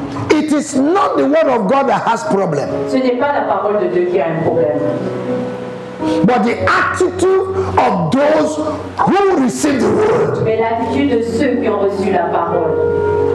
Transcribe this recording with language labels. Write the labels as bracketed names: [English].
[English] It is not the word of God that has problem. [French] Ce n'est pas la parole de Dieu qui a un problème. [English] But the attitude of those who receive the word. [French] Mais l'attitude de ceux qui ont reçu la parole.